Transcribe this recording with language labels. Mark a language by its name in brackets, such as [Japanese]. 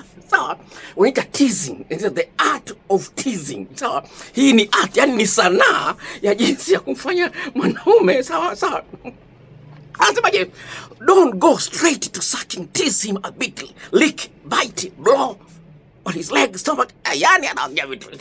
[Swahili] Sawa, unaita [English] teasing, it's the art of teasing. [Swahili] Sawa, hii ni art, yani ni sanaa ya jinsi ya kumfanya mwanaume. Sawa, sawa. Anasema je, [English] don't go straight to sucking, tease him a bit, lick, bite, blow on his leg, stomach, [Swahili] yani anaongea vitu.